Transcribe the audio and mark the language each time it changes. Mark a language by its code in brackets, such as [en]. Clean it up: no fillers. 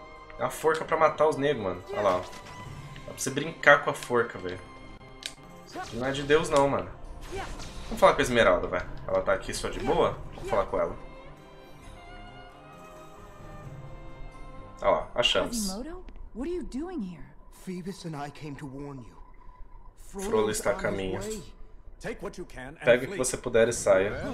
[pt] Tem uma forca pra matar os negros, mano. Olha lá, ó. Dá pra você brincar com a forca, velho. Não é de Deus, não, mano. Vamos falar com a Esmeralda, velho. Ela tá aqui só de boa? Vamos falar com ela. Olha lá, achamos. Quasimodo, o que você está fazendo aqui? [en] Phoebus and I came to warn you. [pt] Frodo está a caminho. [en] Take what you can and [pt] pegue o que você puder e saia.